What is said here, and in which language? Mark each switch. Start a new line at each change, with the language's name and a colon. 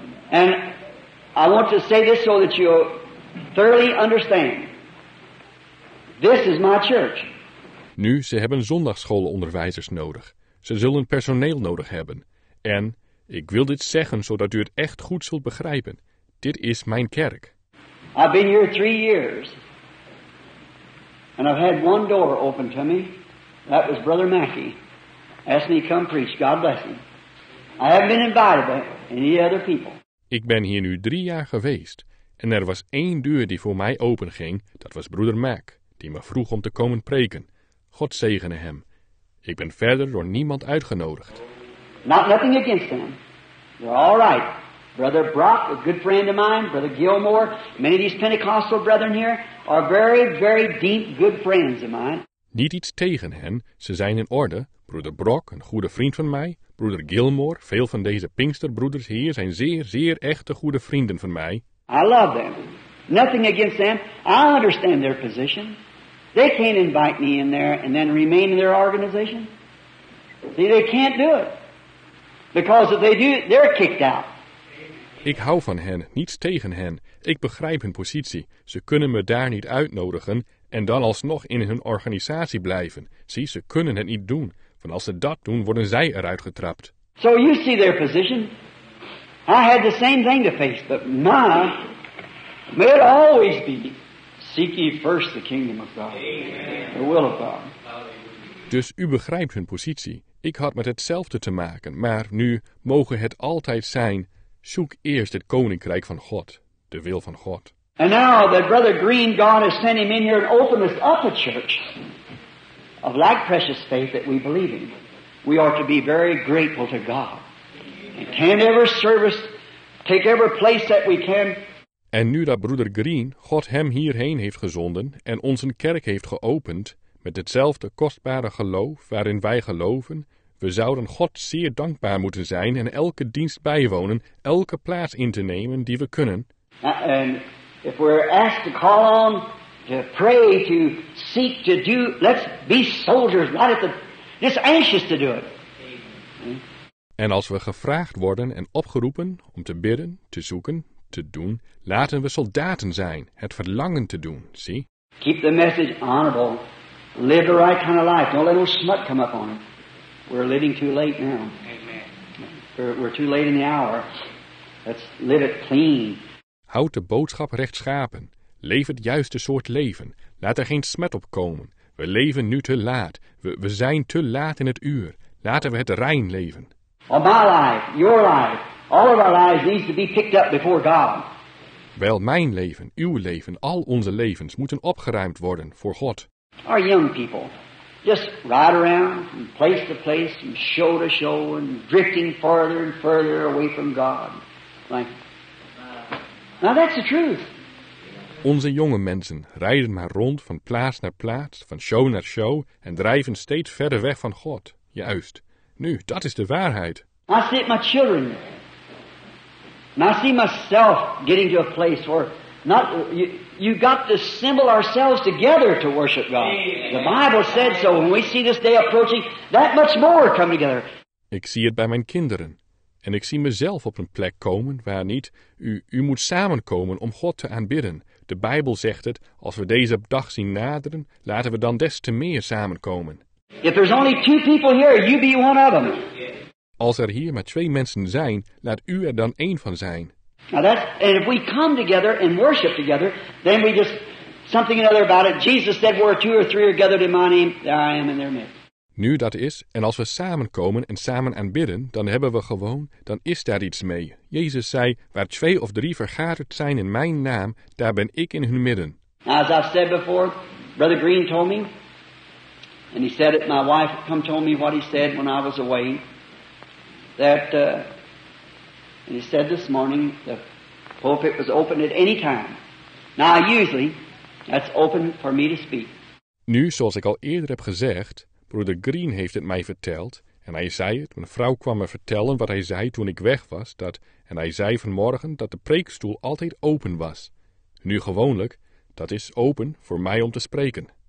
English: And I want to say this so that you thoroughly understand. This is my church.
Dutch: Nu, ze hebben zondagsschoolonderwijzers nodig. Ze zullen personeel nodig hebben. En ik wil dit zeggen zodat u het echt goed zult begrijpen. Dit is mijn kerk.
English: I've been here 3 years. And I've had one door open to me. That was Brother Mackey. Asked me to come preach. God bless him. I haven't been invited by any other people.
Dutch: Ik ben hier nu 3 jaar geweest. En er was 1 deur die voor mij open ging. Dat was Brother Mack, die me vroeg om te komen preken. God zegene hem. Ik ben verder door niemand uitgenodigd.
English: Not nothing against them. They're all right. Brother Brock, a good friend of mine, Brother Gilmore, many of these Pentecostal brethren here are very, very deep good friends of mine.
Dutch: Niet iets tegen hen, ze zijn in orde. Broeder Brock, een goede vriend van mij, Broeder Gilmore, veel van deze Pinksterbroeders hier zijn zeer, zeer echte goede vrienden van mij.
English: I love them. Nothing against them. I understand their position. They can't invite me in there and then remain in their organization. See, they can't do it. Because if they do, they're kicked out.
Dutch: Ik hou van hen, niets tegen hen. Ik begrijp hun positie. Ze kunnen me daar niet uitnodigen en dan alsnog in hun organisatie blijven. Zie, ze kunnen het niet doen. Want als ze dat doen, worden zij eruit getrapt.
English: So you see their position. I had the same thing to face, but my, may it always be. Seek ye first the kingdom of God, the will of God.
Dutch: Dus u begrijpt hun positie. Ik had met hetzelfde te maken, maar nu mogen het altijd zijn. Zoek eerst het koninkrijk van God, de wil van God.
English: And now that Brother Green, God has sent him in here and opened us up a church of like precious faith that we believe in. We are to be very grateful to God. And can every service take every place that we can.
Dutch: En nu dat broeder Green God hem hierheen heeft gezonden en ons een kerk heeft geopend, met hetzelfde kostbare geloof waarin wij geloven, we zouden God zeer dankbaar moeten zijn en elke dienst bijwonen, elke plaats in te nemen die we kunnen.
English: And if we're asked to call on, to pray, to seek, to do, let's be soldiers, right at the Just anxious to do it.
Dutch: En als we gevraagd worden en opgeroepen om te bidden, te zoeken, te doen, laten we soldaten zijn, het verlangen te doen, zie.
English: Keep the message honorable. Live the right kind of life. Don't let no smut come up on it. We're living too late now. Amen. We're too late in the hour. Let's live it clean.
Dutch: Houd de boodschap rechtschapen. Leef het juiste soort leven. Laat er geen smet op komen. We leven nu te laat. We zijn te laat in het uur. Laten we het rein leven.
English: Well, my life, your life, all of our lives needs to be picked up before God.
Dutch: Wel, mijn leven, uw leven, al onze levens moeten opgeruimd worden voor God.
English: Our young people just ride around from place to place, from show to show, and drifting farther and further away from God. Like, now that's the truth.
Dutch: Onze jonge mensen rijden maar rond van plaats naar plaats, van show naar show, en drijven steeds verder weg van God. Juist. Nu, dat is de waarheid.
English: I see my children. And I see myself getting to a place where not you got to assemble ourselves together to worship God. The Bible said so. When we see this day approaching, that much more come together.
Dutch: Ik zie het bij mijn kinderen. En ik zie mezelf op een plek komen waar niet, u moet samenkomen om God te aanbidden. De Bijbel zegt het, als we deze dag zien naderen, laten we dan des te meer samenkomen.
English: If there's only two people here, you be one of them.
Dutch: Als er hier maar twee mensen zijn, laat u er dan één van zijn.
English: Now that's, and if we come together and worship together, then we just, something or other about it, Jesus said, where two or three are gathered in my name, there I am in their midst.
Dutch: Nu dat is, en als we samenkomen en samen aanbidden, dan hebben we gewoon, dan is daar iets mee. Jezus zei, waar twee of drie vergaderd zijn in mijn naam, daar ben ik in hun midden.
English: Now, as I've said before, Brother Green told me, and he said it, my wife come told me what he said when I was away, that, and he said this morning, the pulpit was open at any time. Now, usually, that's open for me to speak.
Dutch: Nu, zoals ik al eerder heb gezegd, Broeder Green heeft het mij verteld, en hij zei het, mijn vrouw kwam me vertellen wat hij zei toen ik weg was, dat, en hij zei vanmorgen dat de preekstoel altijd open was. Nu gewoonlijk, dat is open voor mij om te spreken.